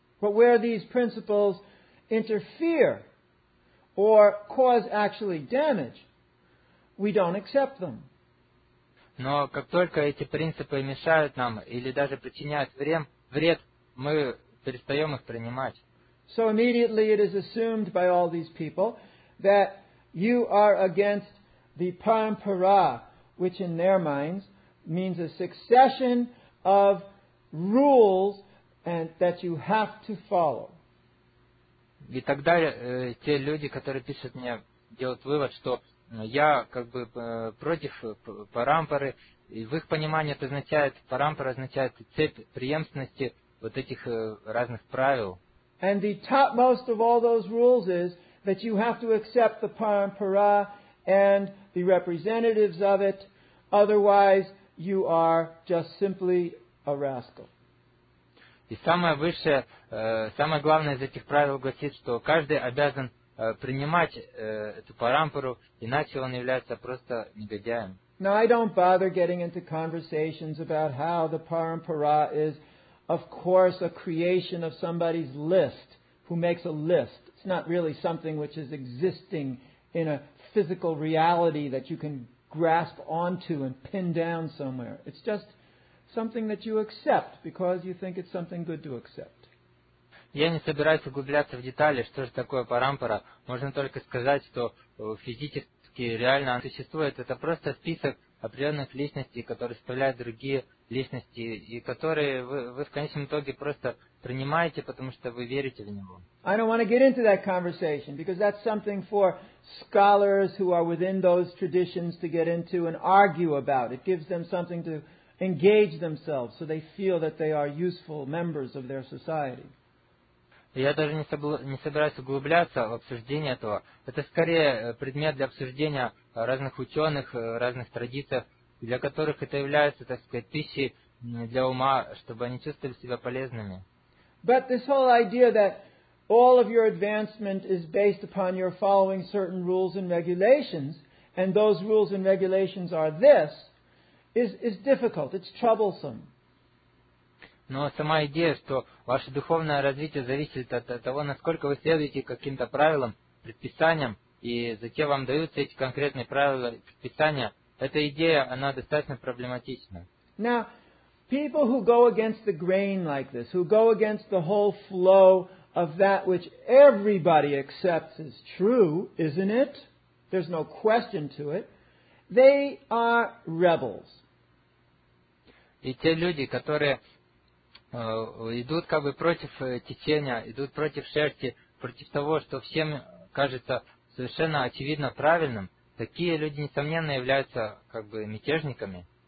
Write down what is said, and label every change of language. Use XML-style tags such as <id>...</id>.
<en>But where these principles interfere or cause actually damage, we don't accept them.</en> <ru>Но как только эти принципы мешают нам или даже причиняют вред, мы перестаем их принимать.</ru> <en>So immediately it is assumed by all these people that you are against the parampara, which in their minds means a succession of rules and that you have to follow.</en> <ru>И тогда те люди, которые пишут мне, делают вывод, что я против парампары, и в их понимании это означает, парампара означает цепь преемственности этих разных правил.</ru> <en>And the topmost of all those rules is that you have to accept the parampara and the representatives of it, otherwise you are just simply a rascal.</en> <ru>И самое высшее, самое главное из этих правил гласит, что каждый обязан принимать эту парампару, иначе он является просто негодяем.</ru> <en>Now I don't bother getting into conversations about how the parampara is, of course, a creation of somebody's list, who makes a list. It's not really something which is existing in a physical reality that you can grasp onto and pin down somewhere. It's just something that you accept because you think it's something good to accept.</en> <ru>Я не собираюсь углубляться в детали, что же такое парампара. Можно только сказать, что физически реально она существует. Это просто список определенных личностей, которые составляют другие личности, и которые вы в конечном итоге просто принимаете, потому что вы верите в него.</ru> <en>I don't want to get into that conversation because that's something for scholars who are within those traditions to get into and argue about. It gives them something to engage themselves so they feel that they are useful members of their society.</en> <ru>Я даже не собираюсь углубляться в обсуждение этого. Это скорее предмет для обсуждения разных ученых, разных традиций, для которых это является, так сказать, пищей для ума, чтобы они чувствовали себя полезными.</ru> <en>But this whole idea that all of your advancement is based upon your following certain rules and regulations, and those rules and regulations are this, is difficult, it's troublesome.</en> <ru>Но сама идея, что ваше духовное развитие зависит от того, насколько вы следуете каким-то правилам, предписаниям, и затем вам даются эти конкретные правила и предписания, эта идея, она достаточно проблематична.</ru> <en>Now, people who go against the grain like this, who go against the whole flow of that which everybody accepts is true, isn't it? There's no question to it. They are rebels.</en> <ru>И те люди, которые идут как бы против течения, идут против шерсти, против того, что всем кажется совершенно очевидно правильным, такие люди, несомненно, являются как бы мятежниками.</ru>